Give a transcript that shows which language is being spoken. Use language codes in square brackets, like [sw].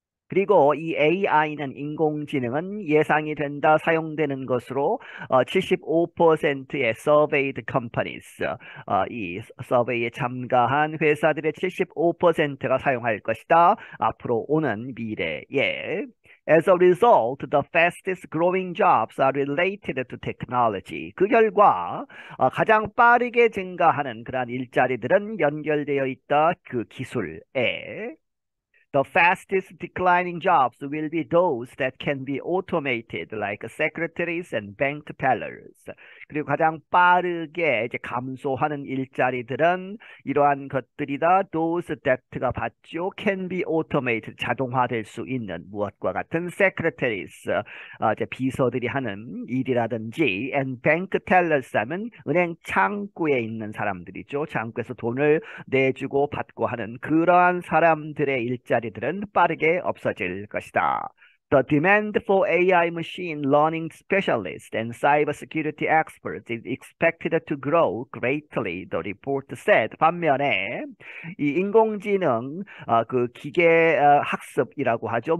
[ko] 그리고 이 AI는 인공지능은 예상이 된다, 사용되는 것으로 75%의 surveyed companies, 이 서베이에 참가한 회사들의 75%가 사용할 것이다. 앞으로 오는 미래에. [en] As a result, the fastest growing jobs are related to technology. [ko] 그 결과, 가장 빠르게 증가하는 그러한 일자리들은 연결되어 있다. 그 기술에. [en] The fastest declining jobs will be those that can be automated, like secretaries and bank tellers. [ko] 그리고 가장 빠르게 이제 감소하는 일자리들은 이러한 것들이다. [en] Those that [ko] 가 봤죠. [en] Can be automated, [ko] 자동화될 수 있는 무엇과 같은 secretaries, 이제 비서들이 하는 일이라든지, [en] and bank tellers [ko] 하면 은행 창구에 있는 사람들이죠. 창구에서 돈을 내주고 받고 하는 그러한 사람들의 일자리들. 빠르게 없어질 것이다. [en] The demand for AI machine learning specialists and cybersecurity experts is expected to grow greatly, the report said. [ko] 반면에 이 인공지능 그 기계 학습이라고 하죠.